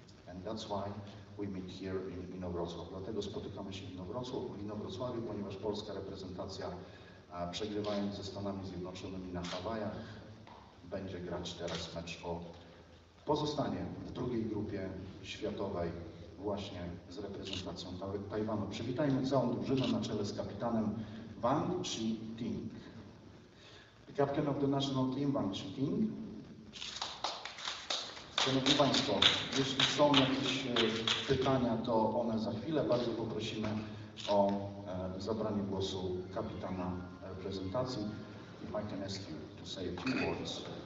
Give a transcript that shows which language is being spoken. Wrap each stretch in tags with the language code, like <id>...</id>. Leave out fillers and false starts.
<en>And that's why we meet here in Inowrocław.</en> <pl>Dlatego spotykamy się w Inowrocławiu, ponieważ polska reprezentacja, przegrywając ze Stanami Zjednoczonymi na Hawajach, będzie grać teraz mecz o pozostanie w drugiej grupie światowej właśnie z reprezentacją Tajwanu. Przywitajmy całą drużynę na czele z kapitanem Wang Chi-ting.</pl> <en>The captain of the national team, Wang Chi-ting.</en> <pl>Szanowni Państwo, jeśli są jakieś pytania, to one za chwilę. Bardzo poprosimy o zabranie głosu kapitana reprezentacji.</pl> <en>If I can ask you to say a few words.</en>